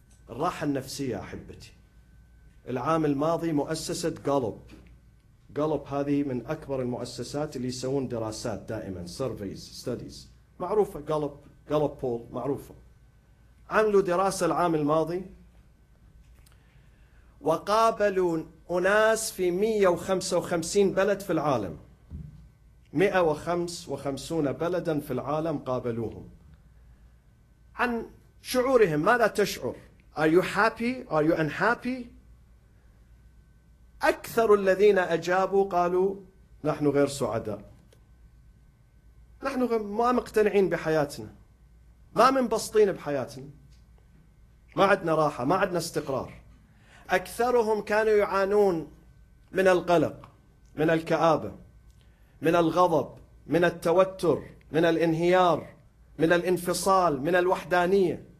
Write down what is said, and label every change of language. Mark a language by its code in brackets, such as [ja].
[ar] الراحة النفسية أحبتي، العام الماضي مؤسسة غالوب هذه من أكبر المؤسسات اللي يسوون دراسات دائما، سيرفيز ستاديز معروفة، غالوب بول معروفة، عملوا دراسة العام الماضي وقابلوا أناس في 155 بلد في العالم، 155 بلدا في العالم قابلوهم عن شعورهم. ماذا تشعر؟ [en] Are you happy? Are you unhappy? [ar] أكثر الذين أجابوا قالوا نحن غير سعداء، نحن ما مقتنعين بحياتنا، ما منبسطين بحياتنا، ما عندنا راحة، ما عندنا استقرار. أكثرهم كانوا يعانون من القلق، من الكآبة، من الغضب، من التوتر، من الانهيار، من الانفصال، من الوحدانية.